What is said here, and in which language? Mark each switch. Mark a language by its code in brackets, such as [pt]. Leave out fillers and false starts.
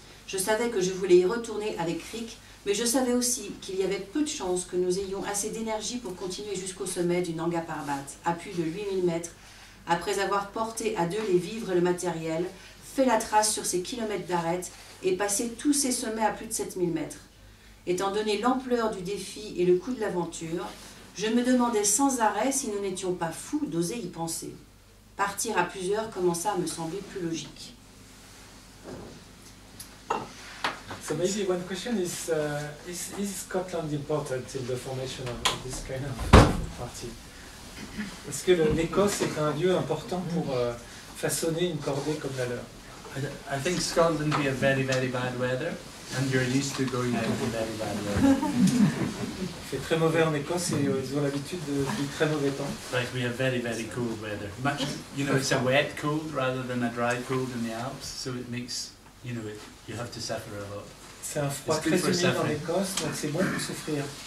[fr] Je savais que je voulais y retourner avec Rick, mais je savais aussi qu'il y avait peu de chances que nous ayons assez d'énergie pour continuer jusqu'au sommet du Nanga Parbat, à plus de 8000 mètres, après avoir porté à deux les vivres et le matériel, fait la trace sur ces kilomètres d'arête et passé tous ces sommets à plus de 7000 mètres. Étant donné l'ampleur du défi et le coût de l'aventure, je me demandais sans arrêt si nous n'étions pas fous d'oser y penser. Partir à plusieurs commença à me sembler plus logique. [en] So maybe one question is Scotland important in the formation of this kind of party? [fr] Est-ce que l'Écosse est un lieu important pour façonner une cordée comme la leur? [en] I think Scotland would be a very, very bad weather, and you're used to going out in very bad weather. [fr] Il fait très mauvais en Écosse et ils ont l'habitude de très mauvais temps. [en] Like we have very, very cold weather. Much, you know, it's a wet cold rather than a dry cold in the Alps, so it makes, you know, it, you have to suffer a lot. [fr] C'est un froid très humide en Écosse, donc c'est bon pour souffrir.